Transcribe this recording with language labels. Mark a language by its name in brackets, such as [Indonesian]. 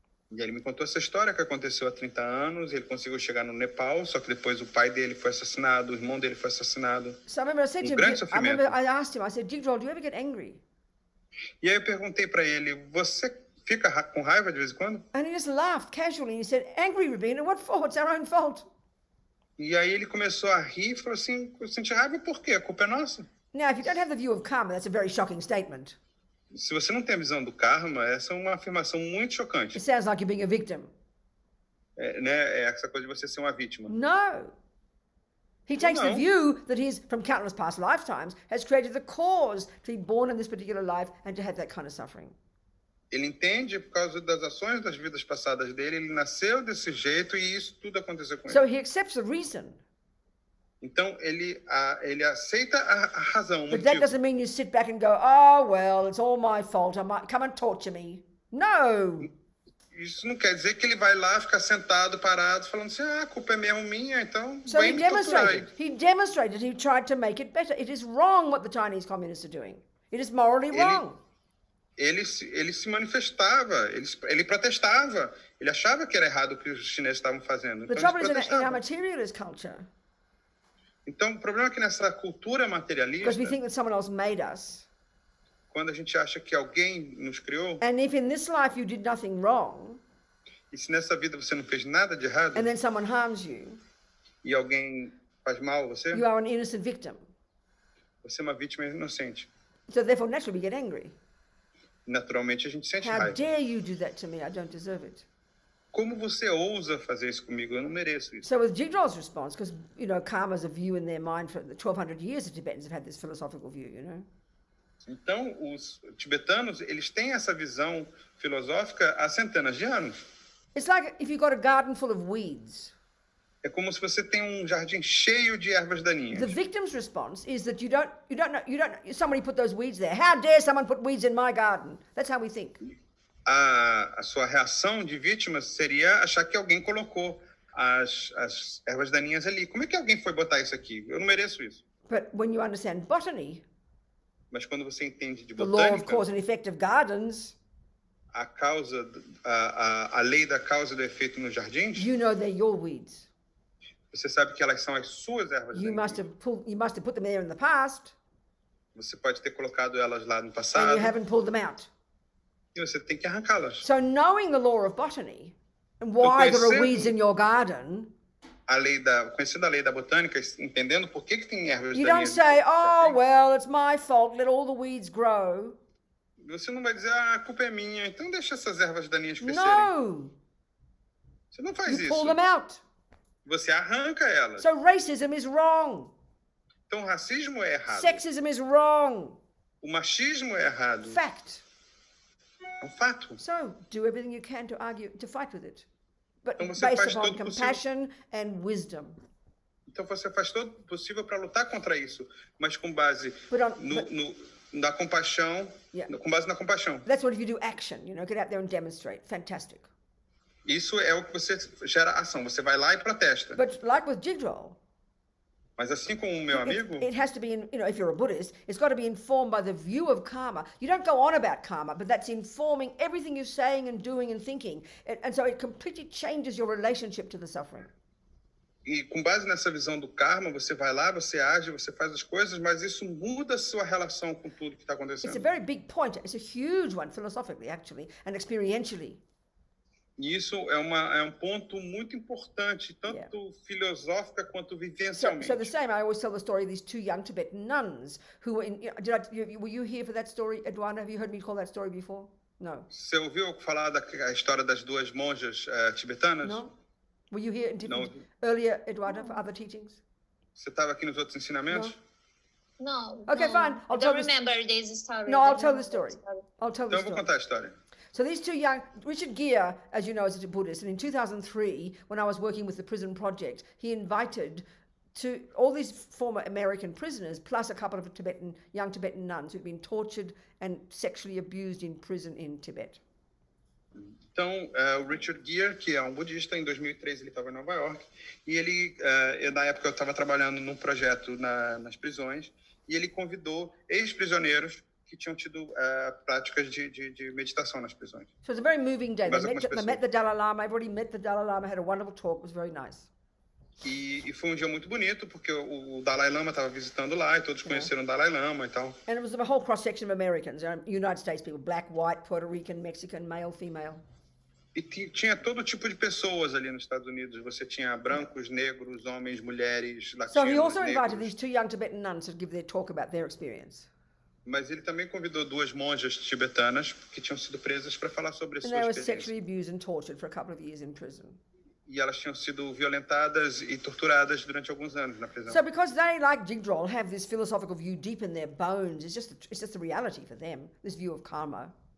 [Portuguese] E ele me contou essa história que aconteceu há 30 anos. Ele conseguiu chegar no Nepal, só que depois o pai dele foi assassinado, o irmão dele foi assassinado. [English] So I remember I said to him, I asked him, Jigdrol, do you ever get angry? [Portuguese] E aí eu perguntei para ele, você fica com raiva de vez em quando? [English] And he just laughed casually and he said, angry, Robina, what for? It's our own fault. [Portuguese] E aí ele começou a rir e falou assim, eu senti raiva, por quê? A culpa é nossa. [English] Now, if you don't have the view of karma, that's a very shocking statement. [Portuguese] Se você não tem a visão do karma, essa é uma afirmação muito chocante. [English] It sounds like you're being a victim. [Portuguese] É essa coisa de você ser uma vítima. [English] No. He takes the view that he's, from countless past lifetimes, has created the cause to be born in this particular life and to have that kind of suffering. [Portuguese] Ele entende por causa das ações das vidas passadas dele, ele nasceu desse jeito e isso tudo aconteceu com ele. [English] So he accepts the reason. [Portuguese] Então ele aceita a razão. [English] But that doesn't mean you sit back and go, oh well, it's all my fault. I might come and torture me. No. [Portuguese] Isso não quer dizer que ele vai lá ficar sentado, parado, falando assim, ah, a culpa é mesmo minha, então. [English] So he demonstrated. He demonstrated. He tried to make it better. It is wrong what the Chinese communists are doing. It is morally wrong. [Portuguese] Ele se manifestava. Ele protestava. Ele achava que era errado o que os chineses estavam fazendo. [English] The trouble is in our materialist culture. [Portuguese] Então, o problema é que nessa cultura materialista, [English] because we think that someone else made us. [Portuguese] Quando a gente acha que alguém nos criou, [English] and if in this life you did nothing wrong, [Portuguese] e se nessa vida você não fez nada de errado, [English] and then someone harms you, [Portuguese] e alguém faz mal a você, [English] you are an innocent victim. [Portuguese] Você é uma vítima inocente. [English] So therefore, naturally we get angry. [Portuguese] Naturalmente a gente sente [English] how [Portuguese] raiva. [English] Dare you do that to me? I don't deserve it. [Portuguese] Como você ousa fazer isso comigo? Eu não mereço isso. [English] So with Jigdol's response, because you know, karma is a view in their mind for the 1200 years the Tibetans have had this philosophical view, you know. [Portuguese] Então os tibetanos, eles têm essa visão filosófica há centenas de anos. [English] It's like if you've got a garden full of weeds. [Portuguese] É como se você tem um jardim cheio de ervas daninhas. [English] The victim's response is that you don't know, somebody put those weeds there. How dare someone put weeds in my garden? That's how we think. [Portuguese] A sua reação de vítima seria achar que alguém colocou as ervas daninhas ali. Como é que alguém foi botar isso aqui? Eu não mereço isso. [English] But when you understand botany, [Portuguese] mas quando você entende de [English] the [Portuguese] botânica, [English] law of cause and effect of gardens, [Portuguese] a causa, a lei da causa e do efeito nos jardins, [English] you know they're your weeds. [Portuguese] Você sabe que elas são as suas ervas daninhas. [English] You must have put them there in the past. [Portuguese] Você pode ter colocado elas lá no passado. [English] And you haven't pulled them out. [Portuguese] Você tem que arrancá-las. [English] So knowing the law of botany and why there are weeds in your garden, [Portuguese] conhecendo a lei da botânica, entendendo por que que tem ervas, [English] you don't say, oh well, it's my fault, let all the weeds grow. [Portuguese] Você não vai dizer, ah, a culpa é minha, então deixa essas ervas daninhas crescerem. [English] No. [Portuguese] Você não faz [English] you [Portuguese] isso. [English] Pull them out. [Portuguese] Você arranca elas. [English] So racism is wrong. [Portuguese] Então racismo é errado. [English] Sexism is wrong. [Portuguese] O machismo é errado. [English] Fact. [Portuguese] Um fato. [English] So do everything you can to argue, to fight with it, but based upon compassion and wisdom. [Portuguese] Então você faz tudo possível para lutar contra isso, mas com base na compaixão, [English] yeah. [Portuguese] Com base na compaixão. [English] That's what if you do action, you know, get out there and demonstrate. Fantastic. [Portuguese] Isso é o que você gera ação. Você vai lá e protesta. [English] But like with Jigdol. [Portuguese] Mas assim como o meu amigo, [English] it has to be, you know, if you're a Buddhist, it's got to be informed by the view of karma. You don't go on about karma, but that's informing everything you're saying and doing and thinking. And so it completely changes your relationship to the suffering. [Portuguese] E com base nessa visão do karma, você vai lá, você age, você faz as coisas, mas isso muda a sua relação com tudo que está acontecendo. [English] It's a very big point. It's a huge one, philosophically, actually, and experientially. [Portuguese] Isso é um ponto muito importante, tanto [English] yeah. [Portuguese] Filosófica quanto vivencialmente. [English] So the same, I always tell the story of these two young Tibetan nuns who were in. Were you here for that story, Eduardo? Have you heard me call that story before? No. [Portuguese] Você ouviu falar da história das duas monjas tibetanas? [English] No. Were you here in Tibet earlier, Eduardo, for other teachings? [Portuguese] Você estava aqui nos outros ensinamentos? [English] No. Okay, no. Fine. I'll tell the story. So these two young, Richard Gere, as you know, is a Buddhist, and in 2003, when I was working with the prison project, he invited to all these former American prisoners, plus a couple of Tibetan young Tibetan nuns who'd been tortured and sexually abused in prison in Tibet. [Portuguese] Então, Richard Gere, que é budista, em 2003 ele estava em Nova York, e ele, na época eu estava trabalhando num projeto nas prisões, e ele convidou ex-prisioneiros que tinham tido práticas de meditação nas prisões. [English] So it's a very moving day. They met the Dalai Lama. I've already met the Dalai Lama. Had a wonderful talk. It was very nice. [Portuguese] E foi um dia muito bonito porque o Dalai Lama estava visitando lá e todos conheceram o Dalai Lama e tal. [English] And it was a whole cross section of Americans, United States people, black, white, Puerto Rican, Mexican, male, female. [Portuguese] E tinha todo tipo de pessoas ali nos Estados Unidos. Você tinha brancos, negros, homens, mulheres, latinos. [English] So he also [Portuguese] negros. [English] Invited these two young Tibetan nuns to give their talk about their experience. [Portuguese] Mas ele também convidou duas monjas tibetanas que tinham sido presas para falar sobre [English] and [Portuguese] sua experiência. [English] Sexually abused and tortured for a couple of years in prison. [Portuguese] E elas tinham sido violentadas e torturadas durante alguns anos na prisão. [English] So because they, like Jigdol, have this philosophical view deep in their bones, it's just the reality for them, this view of karma.